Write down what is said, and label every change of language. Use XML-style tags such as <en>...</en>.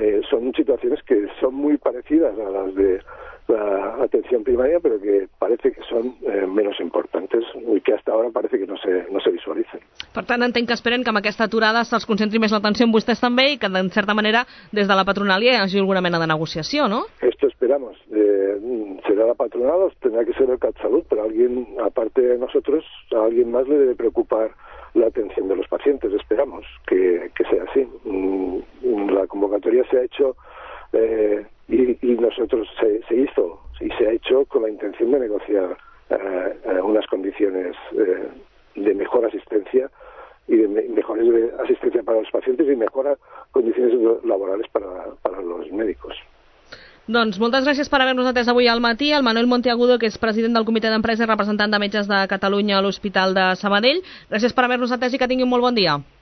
<es>Son situaciones que son muy parecidas a las de la atención primaria, pero que parece que son menos importantes y que hasta ahora parece que no se visualicen.</es> <ca>Per tant, entenc que esperen que amb aquesta aturada se'ls concentri més l'atenció en vostès també i que, en certa manera, des de la patronal hi hagi alguna mena de negociació, no?</ca> <es>Esto esperamos. Será la patronal o tendrá que ser el CatSalud, pero alguien, aparte de nosotros, a alguien más le debe preocupar la atención de los pacientes. Esperamos que sea así. La convocatoria se ha hecho y nosotros se hizo y se ha hecho con la intención de negociar unas condiciones de mejor asistencia y de mejores asistencia para los pacientes y mejores condiciones laborales para los médicos.</es> <ca>Doncs moltes gràcies per haver-nos atès avui al matí. El Manuel Monteagudo, que és president del Comitè d'Empresa i representant de metges de Catalunya a l'Hospital de Sabadell. Gràcies per haver-nos atès i que tingui un molt bon dia.</ca>